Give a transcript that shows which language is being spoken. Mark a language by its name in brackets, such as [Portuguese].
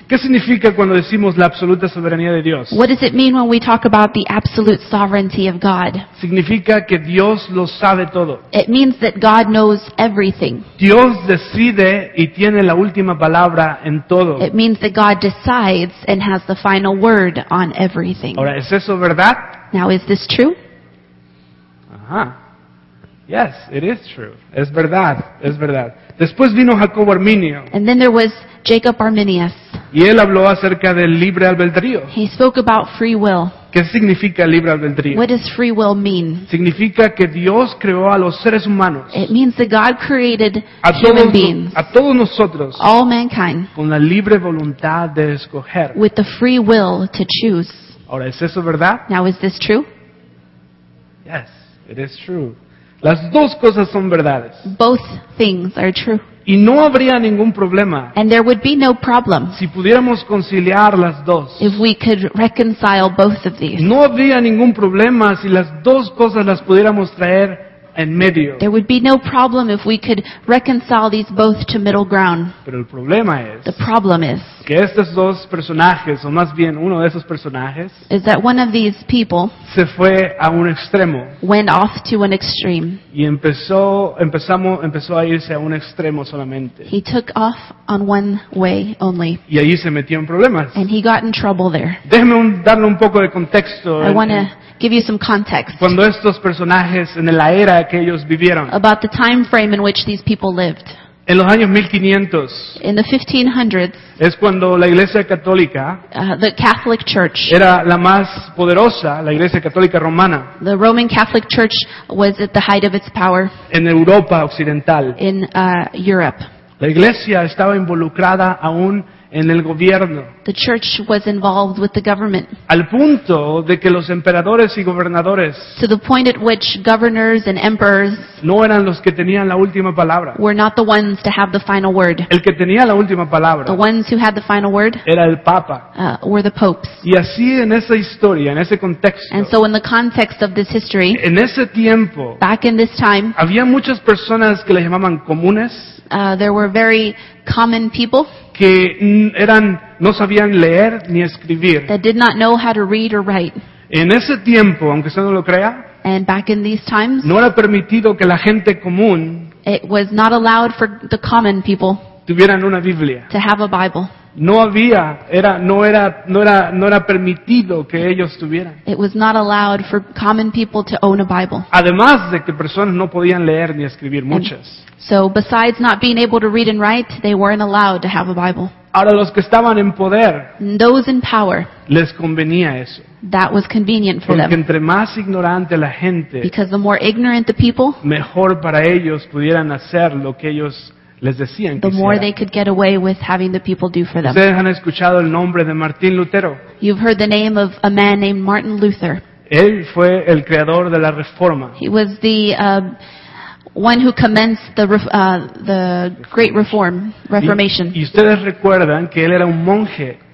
[Spanish] ¿Qué significa cuando decimos la absoluta soberanía de Dios? [English] What does it mean when we talk about the absolute sovereignty of God? [Spanish] Significa que Dios lo sabe todo. [English] It means that God knows everything. [Spanish] Dios decide y tiene la última palabra en todo. [English] It means that God decides and has the final word on everything. [Spanish] Ahora, ¿es eso verdad? [English] Now, is this true? [Spanish] Ajá. [English] Yes, it is true. [Spanish] Es verdad, es verdad. Después vino Jacob Arminio. [English] And then there was Jacob Arminius. [Spanish] Y él habló acerca del libre albedrío. [English] He spoke about free will. [Spanish] ¿Qué significa libre albedrío? [English] What does free will mean? [Spanish] Significa que Dios creó a los seres humanos. [English] It means that God created a human [Spanish] todos, [English] beings. [Spanish] A todos nosotros. [English] All mankind. [Spanish] Con la libre voluntad de escoger. [English] With the free will to choose. [Spanish] Ahora, ¿es eso verdad? [English] Now, is this true? Yes, it is true. [Spanish] Las dos cosas son verdades. [English] Both things are true. [Spanish] Y no habría ningún problema. [English] And there would be no problem. [Spanish] Si pudiéramos conciliar las dos. [English] If we could reconcile both of these. [Spanish] No habría ningún problema si las dos cosas las pudiéramos traer en medio. [English] There would be no problem if we could reconcile these both to middle ground. [Spanish] Pero el problema es. [English] The problem is. [Spanish] Que estos dos personajes, o más bien uno de esos personajes, [English] is that one of these people [Spanish] se fue a un extremo, [English] went off to an extreme. [Spanish] Y empezó a irse a un extremo solamente. [English] He took off on one way only. [Spanish] Y ahí se metió en problemas. [English] And he got in trouble there. [Spanish] Déjeme darle un poco de contexto. [English] I want to give you some context. [Spanish] Cuando estos personajes, en la era que ellos vivieron. [English] About the time frame in which these people lived. [Spanish] En los años 1500, [English] in the 1500s, [Spanish] es cuando la Iglesia Católica, [English] the Catholic Church, [Spanish] era la más poderosa, la Iglesia Católica Romana, [English] the Roman Catholic Church was at the height of its power, [Spanish] en Europa Occidental, [English] in Europe. [Spanish] La Iglesia estaba involucrada aún en el gobierno. [English] The church was involved with the government. [Spanish] Al punto de que los emperadores y gobernadores. [English] To the point at which governors and emperors. [Spanish] No eran los que tenían la última palabra. [English] Were not the ones to have the final word. [Spanish] El que tenía la última palabra. [English] The ones who had the final word. [Spanish] Era el Papa. [English] Were the popes. [Spanish] Y así en esa historia, en ese contexto. [English] And so in the context of this history. [Spanish] En ese tiempo. [English] Back in this time. [Spanish] Había muchas personas que le llamaban comunes. [English] There were very common people. [Spanish] Que eran, no sabían leer ni escribir. [English] That did not know how to read or write. [Spanish] En ese tiempo, aunque usted no lo crea, [English] and back in these times, [Spanish] no era permitido que la gente común, [English] it was not allowed for the common people, [Spanish] tuvieran una Biblia, [English] to have a Bible. [Spanish] No había, era, no era, no era, no era permitido que ellos tuvieran. [English] It was not allowed for common people to own a Bible. [Spanish] Además de que personas no podían leer ni escribir muchas. [English] And so besides not being able to read and write, they weren't allowed to have a Bible. [Spanish] Ahora los que estaban en poder, [English] those in power, [Spanish] les convenía eso. [English] That was convenient for [Spanish] porque [English] them. [Spanish] Entre más ignorante la gente, [English] because the more ignorant the people, [Spanish] mejor para ellos pudieran hacer lo que ellos les decían que [English] the more they could get away with having the people do for them. [Spanish] ¿Ustedes han escuchado el nombre de Martín Lutero? [English] You've heard the name of a man named Martin Luther. [Spanish] Él fue el creador de la Reforma. [English] He was the one who commenced the Great Reform, Reformation. [Spanish] Y ustedes recuerdan que él era un monje.